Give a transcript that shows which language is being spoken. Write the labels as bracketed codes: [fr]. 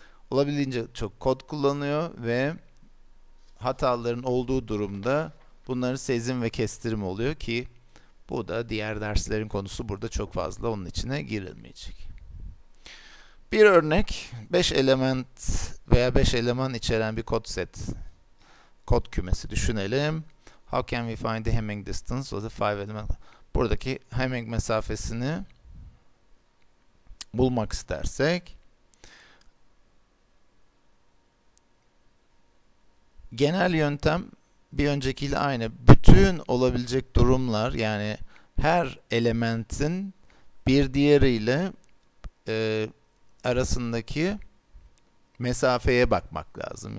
[tr] Olabildiğince çok kod kullanıyor ve hataların olduğu durumda bunların sezim ve kestirim oluyor ki bu da diğer derslerin konusu, burada çok fazla onun içine girilmeyecek. Bir örnek 5 element veya 5 eleman içeren bir kod set, kod kümesi düşünelim. [en] How can we find the Hamming distance of the five element? [tr] Buradaki Hamming mesafesini bulmak istersek genel yöntem bir öncekiyle aynı. Bütün olabilecek durumlar, yani her elementin bir diğeriyle arasındaki mesafeye bakmak lazım.